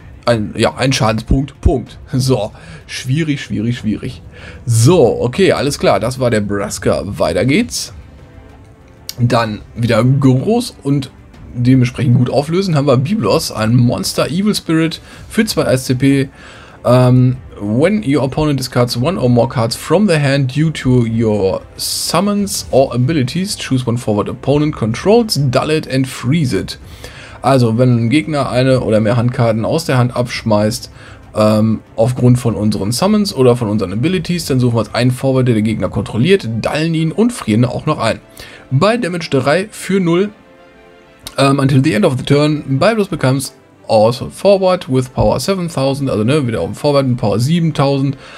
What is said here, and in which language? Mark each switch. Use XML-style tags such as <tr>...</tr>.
<de>Einen Schadenspunkt. Punkt. So. Schwierig, schwierig, schwierig. So, okay, alles klar. Das war der Braska. Weiter geht's. Dann wieder groß und dementsprechend gut auflösen, haben wir Biblos, ein Monster Evil Spirit für 2 SCP.</de> <en>When your opponent discards one or more cards from the hand due to your summons or abilities, choose one forward opponent controls, dull it and freeze it.</en> <de>Also, wenn ein Gegner eine oder mehr Handkarten aus der Hand abschmeißt, aufgrund von unseren Summons oder von unseren Abilities, dann suchen wir uns einen Forward, der den Gegner kontrolliert, dullen ihn und frieren auch noch ein. Bei Damage 3 für 0,</de> <en>until the end of the turn, Biblos becomes also forward with power 7000,</en> <de>also ne, wieder auf forward mit power 7000.</de>